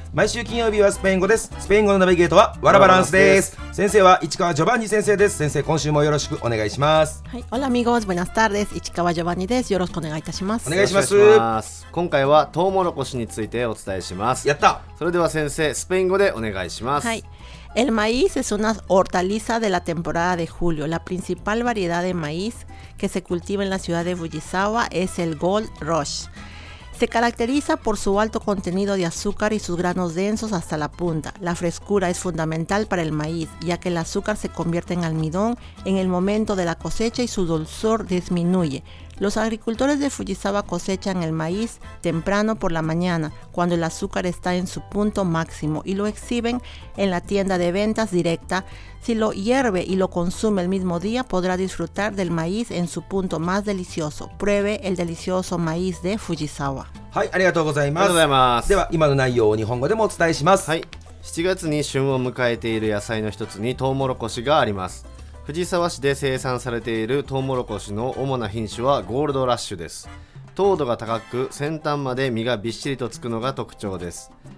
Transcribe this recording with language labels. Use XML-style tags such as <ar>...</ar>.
<ja>毎週金曜日はスペイン語です。スペイン語のナビゲートはワラバランスです。先生は市川ジョバンニ先生です。先生、今週もよろしくお願いします。はい、オラミゴーズブナスターです。市川ジョバンニです。よろしくお願いいたします。お願いします。今回はトウモロコシについてお伝えします。やった。それでは先生、スペイン語でお願いします。</ja> <es>はい、El maíz es una hortaliza de la temporada de julio. La principal variedad de maíz que se cultiva en la ciudad de Fujisawa es el Gold Rush. Se caracteriza por su alto contenido de azúcar y sus granos densos hasta la punta. La frescura es fundamental para el maíz, ya que el azúcar se convierte en almidón en el momento de la cosecha y su dulzor disminuye. Los agricultores de Fujisawa cosechan el maíz temprano por la mañana, cuando el azúcar está en su punto máximo, y lo exhiben en la tienda de ventas directa. Si lo hierve y lo consume el mismo día, podrá disfrutar del maíz en su punto más delicioso. Pruebe el delicioso maíz de Fujisawa.</es> <ja>はい、ありがとうございます。ありがとうございます。では、今の内容を日本語でもお伝えします。はい。 7月に旬を迎えている野菜の一つにトウモロコシがあります。藤沢市で生産されているトウモロコシの主な品種はゴールドラッシュです。糖度が高く、先端まで実がびっしりとつくのが特徴です。</ja>